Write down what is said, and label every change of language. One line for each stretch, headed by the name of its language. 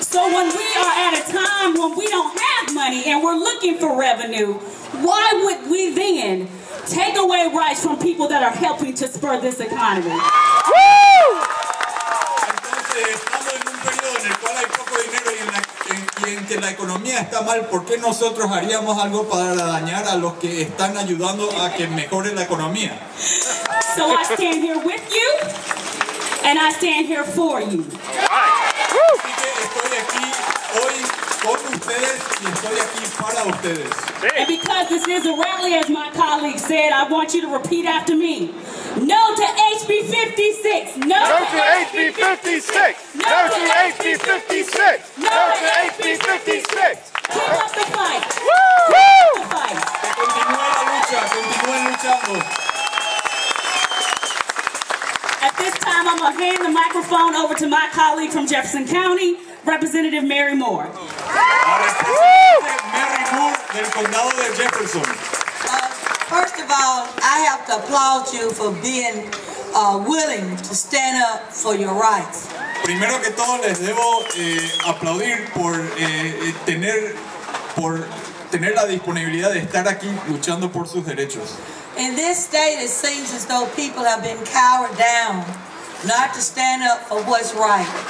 English: So when we are at a time when we don't have money and we're looking for revenue, why would we then take away rights from people that are helping to spur this economy? Woo!
Spanish: Estamos en un periodo en el cual hay poco dinero y en que la economía está mal, ¿por qué nosotros haríamos algo para dañar a los que están ayudando a que mejore la economía?
English: So I stand here with you and I stand here for you.
Spanish: Así que estoy aquí hoy con ustedes y estoy aquí para ustedes.
English: And because this is a rally, as my colleague said, I want you to repeat after me. No to HB 56. No to HB 56. No to HB 56. No to HB 56. Keep up the fight. Woo! Keep up the fight.
Spanish: Continúa la lucha. Continúa luchando.
English: At this time, I'm going to hand the microphone over to my colleague from Jefferson County, Representative Mary Moore.
Spanish: Mary Moore del condado de Jefferson.
English: First of all, I have to applaud you for being willing to stand up for your rights.
Spanish: Primero que todo, les debo aplaudir por tener la disponibilidad de estar aquí luchando por sus derechos.
English: In this state, it seems as though people have been cowered down not to stand up for what's right.